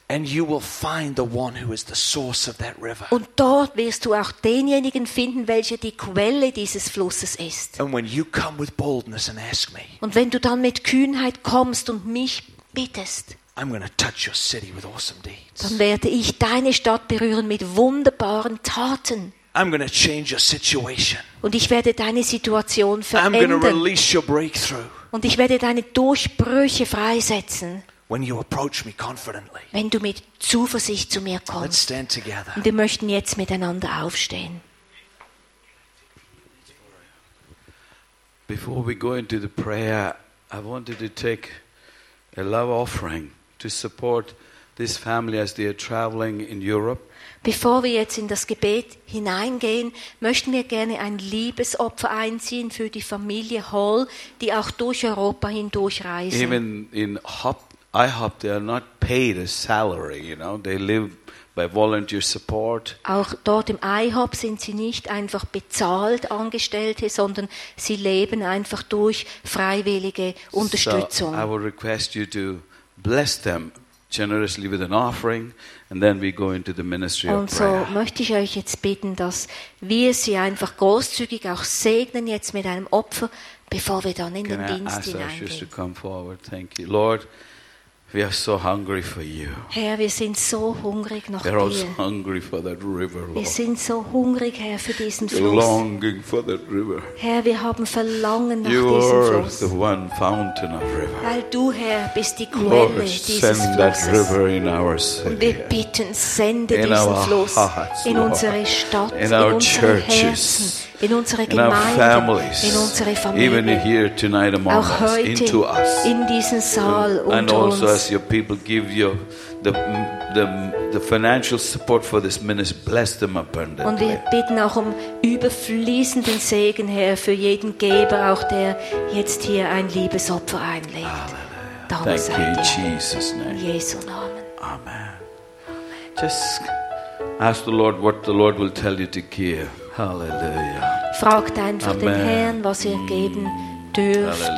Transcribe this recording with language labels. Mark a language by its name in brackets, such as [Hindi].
[English] And you will find the one who is the source of that river. [German] Und dort wirst du auch denjenigen finden, welcher die Quelle dieses Flusses ist. [English] And when you come with boldness and ask me. [German] Und wenn du dann mit Kühnheit kommst und mich bittest. [English] I'm going to touch your city with awesome deeds. [German] Dann werde ich deine Stadt berühren mit wunderbaren Taten. [English] I'm going to change your situation. [German] Und ich werde deine Situation verändern. [English] I'm going to release your breakthrough. [German] Und ich werde deine Durchbrüche freisetzen. [English] When you approach me confidently. [German] Wenn du mit Zuversicht zu mir kommst. [English] Let's stand together. [German] Und wir möchten jetzt miteinander aufstehen. [English] Before we go into the prayer, I wanted to take a love offering to support this family as they are traveling in Europe. [German] Bevor wir jetzt in das Gebet hineingehen, möchten wir gerne ein Liebesopfer einziehen für die Familie Hall, die auch durch Europa hindurch reisen. [English] Even in IHOP, they are not paid a salary, you know, they live by volunteer support. [German] Auch dort im IHOP sind sie nicht einfach bezahlt Angestellte, sondern sie leben einfach durch freiwillige Unterstützung. [English] So I would request you to bless them generously with an offering, and then we go into the ministry of prayer. [German] Und so möchte ich euch jetzt bitten, dass wir sie einfach großzügig auch segnen jetzt mit einem Opfer, bevor wir dann in den Dienst hineingehen. [English] Can I ask you to come forward? Thank you, Lord. We are so hungry for you. [German] Herr, wir sind so hungrig nach dir. [English] We are so hungry for that river, Lord. [German] Wir sind so hungrig, Herr, für diesen Fluss. [English] Longing for that river. [German] Herr, wir haben Verlangen nach diesem Fluss. [English] You are the one fountain of river. [German] Weil du, Herr, bist die Quelle dieses Flusses. [English] Lord, send that river in our city. [German] Und wir bitten, sende diesen Fluss in unsere Stadt, in unsere [English] Churches. [German] In unsere Gemeinde, [English] in, our families, [German] in unsere Familie, [English] even here tonight among [German] auch heute [English] us, into us. [German] In diesem Saal unter uns. [English] And also as your people give you the financial support for this ministry, bless them abundantly. [German] Und wir bitten auch um überfließenden Segen, Herr, für jeden Geber, auch der jetzt hier ein Liebesopfer einlegt. [English] Halleluja. Thank you in Jesus' name. [German] In Jesu Namen. Amen. [English] Just ask the Lord what the Lord will tell you to give. Hallelujah. [German] Fragt einfach Amen. Den Herrn, was ihr geben dürft.